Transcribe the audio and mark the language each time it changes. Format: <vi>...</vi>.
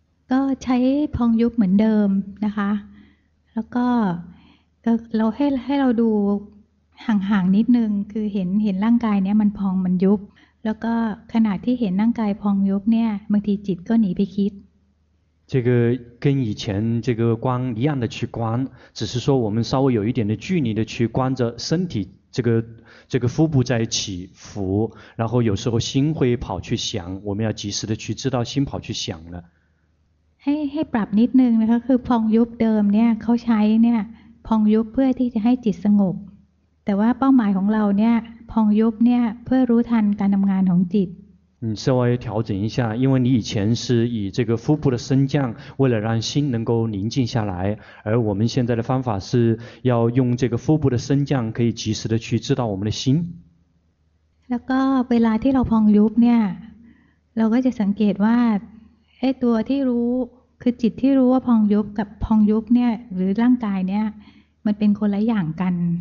<th>ก็ใช้พองยุบเหมือนเดิมนะคะแล้วก็เราให้เราดูห่างๆนิดนึงคือเห็นร่างกายเนี้ยมันพองมันยุบแล้วก็ขณะที่เห็นร่างกายพองยุบเนี่ยบางทีจิตก็หนีไปคิด</th> <zh>这个跟以前这个观一样的去观只是说我们稍微有一点的距离的去观着身体这个腹部在起伏然后有时候心会跑去想我们要及时的去知道心跑去想了</zh> <th>ให้ปรับนิดนึงนะคะคือพองยุบเดิมเนี่ยเขาใช้เนี่ยพองยุบเพื่อที่จะให้จิตสงบแต่ว่าเป้าหมายของเราเนี่ยพองยุบเนี่ยเพื่อรู้ทันการทำงานของจิต</th> <zh>嗯稍微调整一下因为你以前是以这个腹部的升降为了让心能够宁静下来而我们现在的方法是要用这个腹部的升降可以及时的去知道我们的心</zh> <th>แล้วก็เวลาที่เราพองยุบเนี่ยเราก็จะสังเกตว่าไอ้ตัวที่รู้คือจิตที่รู้ว่าพองยุบกับพองยุบเนี่ยหรือร่างกายเนี่ยมันเป็นคนละอย่างกัน</th>